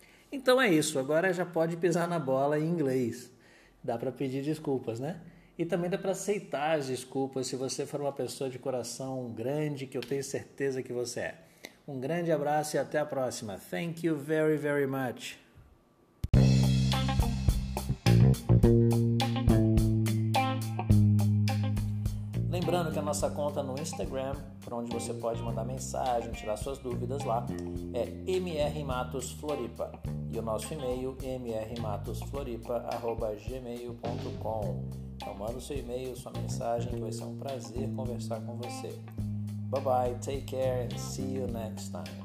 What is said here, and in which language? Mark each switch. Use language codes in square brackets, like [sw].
[pt] Então é isso, agora já pode pisar na bola em inglês. Dá para pedir desculpas, né? E também dá para aceitar as desculpas se você for uma pessoa de coração grande, que eu tenho certeza que você é. Um grande abraço e até a próxima. [en] Thank you very, very much. [pt] Lembrando que a nossa conta no Instagram, para onde você pode mandar mensagem, tirar suas dúvidas lá, é mrmatosfloripa. E o nosso e-mail é mrmatosfloripa@gmail.com. Então manda o seu e-mail, sua mensagem, que vai ser um prazer conversar com você. [en] Bye bye, take care and see you next time.